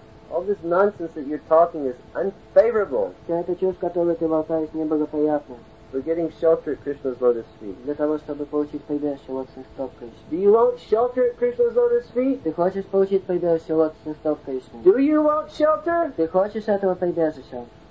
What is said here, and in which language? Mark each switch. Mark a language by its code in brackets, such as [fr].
[en] All this nonsense that you're talking is unfavorable. [ru] Вся эта чушь, которую ты болтаешь, неблагоприятна. [en] For getting shelter at Krishna's lotus feet. [ru] Для того, чтобы получить прибежище лотосных стоп Кришны. [en] Do you want shelter at Krishna's lotus feet? [ru] Ты хочешь получить прибежище лотосных стоп Кришны? [en] Do you want shelter? [ru] Ты хочешь этого прибежища?